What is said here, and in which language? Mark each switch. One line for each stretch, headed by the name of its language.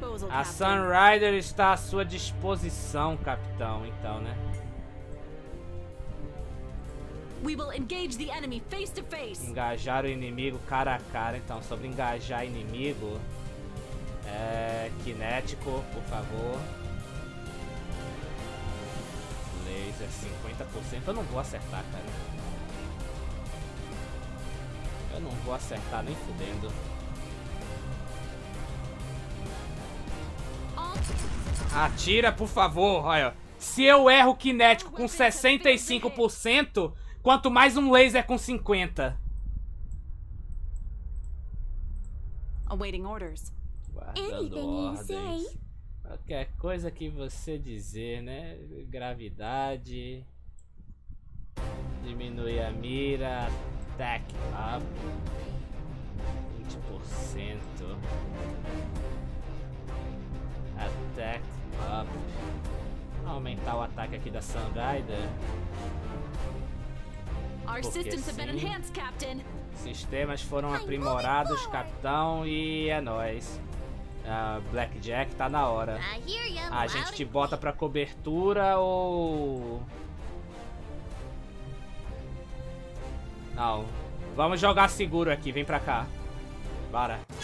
Portuguese: A Sunrider está à sua disposição, capitão. Então, né?
English: We will engage the enemy face to face.
Portuguese: Engajar o inimigo cara a cara. Então, sobre engajar inimigo, é kinético, por favor. Laser 50%. Eu não vou acertar, cara. Eu não vou acertar nem fudendo.
English: All
Portuguese: Atira, por favor, olha. Se eu erro kinético com 65%, quanto mais um laser com 50%.
English: Awaiting orders.
Portuguese: Guardando ordens. Qualquer coisa que você dizer, né? Gravidade. Diminui a mira.
English: Attack up.
Portuguese: 20%.
English: Attack up.
Portuguese: Aumentar o ataque aqui da Sunrider.
English: Our systems have been enhanced, Captain.
Portuguese: Sistemas foram aprimorados, Capitão, e é nóis. Blackjack, tá na hora. A gente te bota pra cobertura ou... Não. Vamos jogar seguro aqui, vem pra cá. Bora.